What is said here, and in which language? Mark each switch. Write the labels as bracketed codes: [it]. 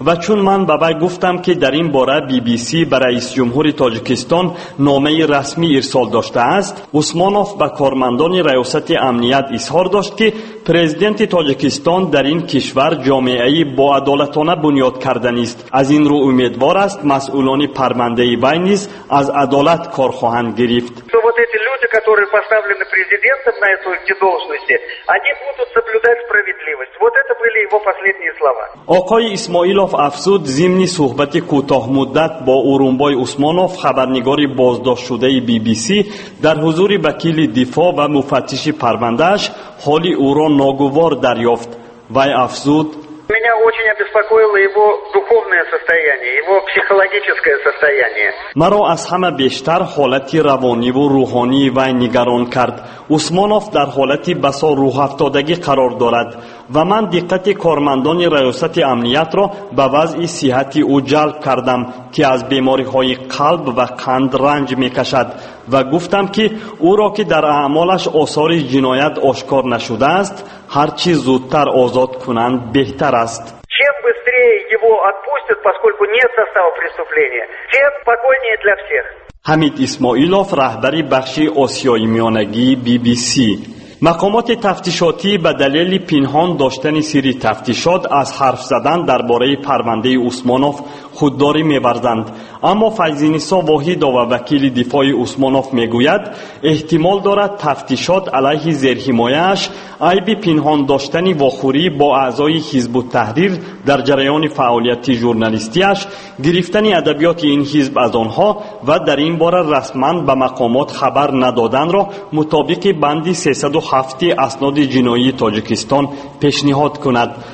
[fa] و چون من به وی گفتم که در این باره بی بی سی به رئیس جمهور تاجیکستان نامه رسمی ارسال داشته است، عثمانوف به کارمندان ریاست امنیت اظهار داشت که پرزیدنت تاجیکستان در این کشور جامعه‌ای با عدالتانه بنیاد کردنی است. از این رو امیدوار است مسئولان پرونده وی نیز از عدالت کار خواهند گرفت. [ru] которые поставлены президентом на эту должность, они будут соблюдать справедливость. Вот это были его последние слова. [tg] Оқои Исмоилов афзуд зимни суҳбати кӯтоҳмуддат бо Урумбой Усмонов, хабарнигори боздоштшудаи BBC, дар ҳузури вакили дифо ва муфаттиши парвандааш ҳоли ӯро ногувор дарёфт. Вай афзуд: [ru] Меня очень обеспокоило его духовное состояние, его психологическое состояние. [tg] Маро аз ҳама бештар ҳолати равонӣ ва рӯҳонии вай нигарон кард. Усмонов дар ҳолати басо рӯҳафтодагӣ қарор дорад ва ман диққати кормандони раёсати амниятро ба вазъи сиҳати ӯ ҷалб кардам, ки аз бемориҳои қалб ва қанд ранҷ мекашад, ва гуфтам ки ӯро ки дар аъмолаш осори ҷиноят ошкор нашудааст, ҳар чӣ зудтар озод кунанд беҳтар аст. [ru] Чем быстрее его отпустят, поскольку нет состава преступления, тем спокойнее для всех. [tg] Хамид Исмоилов, раҳбари бахши Осиёи миёнагӣ, BBC. [fa] مقامات تفتیشاتی به دلیل پنهان داشتن سری تفتیشات از حرف زدن درباره پرونده عثمانوف خودداری می‌ورزند. اما فیضی‌نسا واحد و وکیل دفاع عثمانوف می‌گوید احتمال دارد تفتیشات علیه زیرحمایه‌اش عیب پنهان داشتن واخوری با اعضای حزب التحریر در جریان فعالیت ژورنالیستی‌اش، گرفتن ادبیات این حزب از آنها و در این باره رسماً به مقامات خبر ندادن را مطابق بند 307 اسناد جنایی تاجیکستان پیشنهاد کند.